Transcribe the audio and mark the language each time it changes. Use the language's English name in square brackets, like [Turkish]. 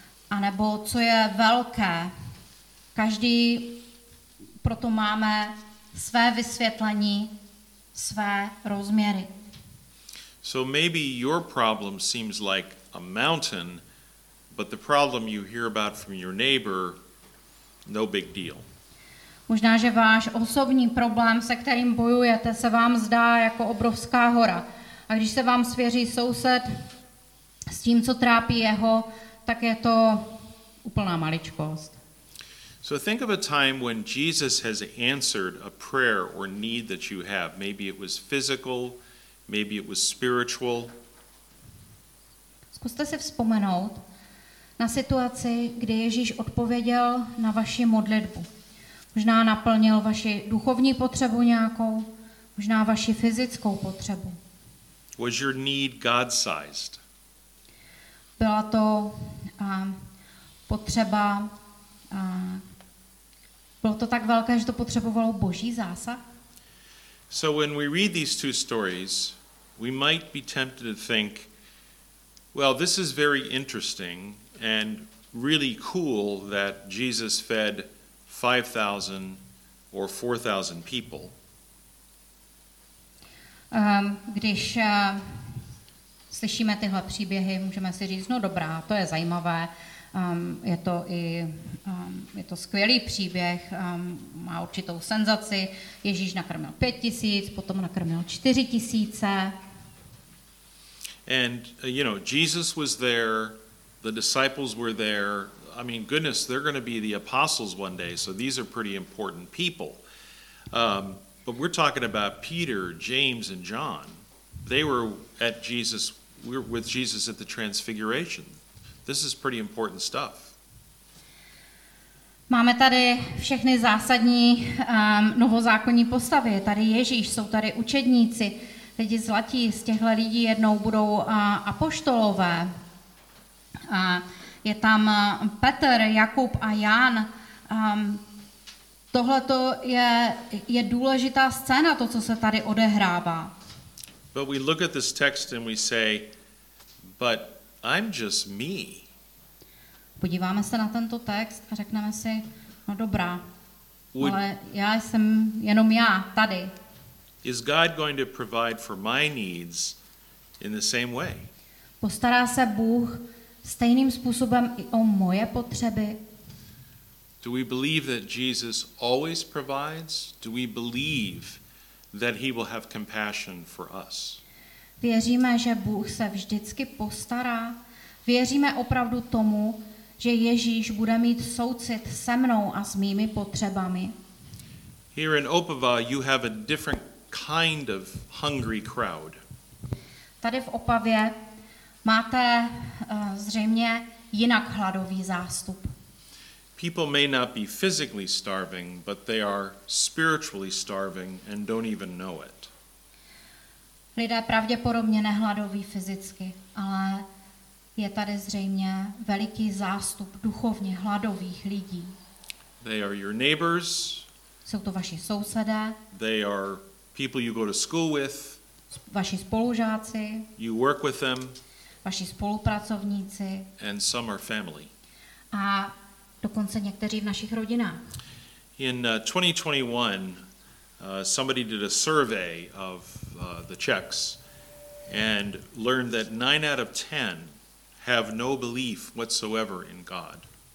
[Czech] Anebo co je velké. Každý proto máme své vysvětlení, své rozměry. [English] So maybe your problem seems like a mountain, but the problem you hear about from your neighbor, no big deal. [Czech] Možná, že váš osobní problém, se kterým bojujete, se vám zdá jako obrovská hora. A když se vám svěří soused s tím, co trápí jeho, tak je to úplná maličkost. [English] So think of a time when Jesus has answered a prayer or need that you have. Maybe it was physical, Maybe it was spiritual. [Czech] Zkuste se vzpomenout na situaci, kdy Ježíš odpověděl na vaši modlitbu. Možná naplnil vaši duchovní potřebu nějakou, možná vaši fyzickou potřebu. [English] Was your need God-sized? [Czech] Byla to potřeba, bylo to tak velké, že to potřebovalo Boží zásah? [English] So when we read these two stories, we might be tempted to think, well, this is very interesting and really cool that Jesus fed 5,000 or 4,000 people. [Czech] Když slyšíme tyhle příběhy, můžeme si říct, no dobrá, to je zajímavé, je to skvělý příběh, má určitou senzaci, Ježíš nakrmil 5,000, potom nakrmil 4,000. [English] And, you know, Jesus was there, the disciples were there. I mean, goodness, they're going to be the apostles one day, so these are pretty important people. But we're talking about Peter, James, and John. They were at Jesus, we're with Jesus at the Transfiguration. This is pretty important stuff. [Czech] Máme tady všechny zásadní novozákonní postavy. Tady Ježíš, jsou tady učedníci. Lidi zlatí, z těchto lidí jednou budou apoštolové. Je tam Petr, Jakub a Jan. Tohle to je důležitá scéna, to, co se tady odehrává. [English] But we look at this text and we say, but I'm just me. [Czech] Podíváme se na tento text a řekneme si, no dobrá, ale já jsem jenom já, tady. [English] Is God going to provide for my needs in the same way? [Czech] Postará se Bůh stejným způsobem i o moje potřeby? [English] Do we believe that Jesus always provides? Do we believe that he will have compassion for us? [Czech] Věříme, že Bůh se vždycky postará? Věříme opravdu tomu, že Ježíš bude mít soucit se mnou a s mými potřebami? [English] Here in Opava you have a different kind of hungry crowd. [Czech] Tady v Opavě máte zřejmě jinak hladový zástup. [English] People may not be physically starving, but they are spiritually starving and don't even know it. [Czech] Lidé pravděpodobně nehladoví fyzicky, ale je tady zřejmě veliký zástup duchovně hladových lidí. [English] They are your neighbors. [Czech] Jsou to vaši sousedé. [English] They are people you go to school with, [Czech] vaši spolužáci, [English] you work with them, [Czech] vaši spolupracovníci, [English] and some are family. [Czech] A dokonce někteří v našich rodinách. [English] In 2021, somebody did a survey of the Czechs and learned that 9 out of 10 have no belief whatsoever in God.